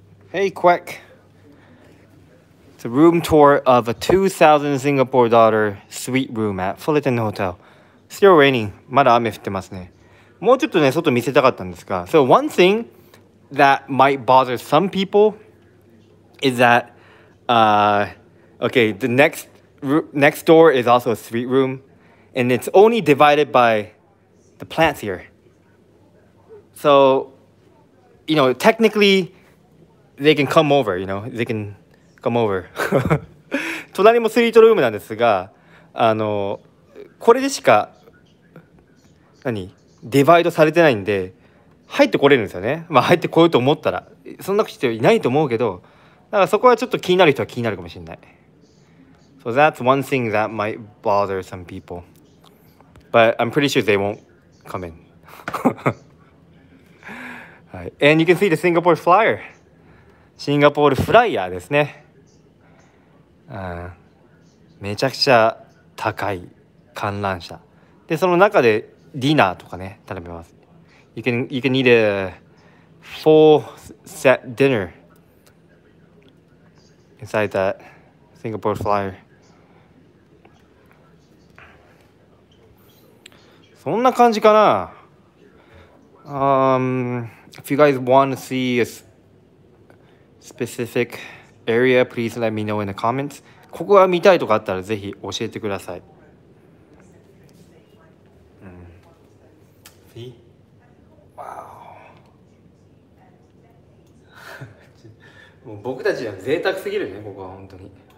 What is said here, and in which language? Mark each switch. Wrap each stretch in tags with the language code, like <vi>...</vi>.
<en>Hey, quick. It's a room tour of a 2000 Singapore dollar suite room at Fullerton Hotel. Still raining.</en> <ja>まだ雨降ってますね。もうちょっとね、外見せたかったんですが。</ja> <en>So one thing that might bother some people is that, okay, the next door is also a suite room. And it's only divided by the plants here. So, you know, technically... They can come over, you know, they can come over.</en> <ja>隣もスイートルームなんですが、これでしか、何、ディバイドされてないんで、入ってこれるんですよね。まあ、入ってこようと思ったら、そんな人いないと思うけど、だからそこはちょっと気になる人は気になるかもしれない。</ja> <en>So that's one thing that might bother some people. But I'm pretty sure they won't come in. 、はい、And you can see the Singapore flyer.</en> <ja>シンガポールフライヤーですね。めちゃくちゃ高い観覧車。で、その中でディナーとかね、頼めます。</ja> <en>You can eat a full set dinner inside that Singapore flyer.</en> <ja>そんな感じかな。</ja> <en>If you guys want to see aspecific area, please let me know in the comments.</en> <ja>ここが見たいとかあったらぜひ教えてください。</ja> <en>See? Wow.</en> <ja>もう僕たちは贅沢すぎるね、ここは本当に。</ja>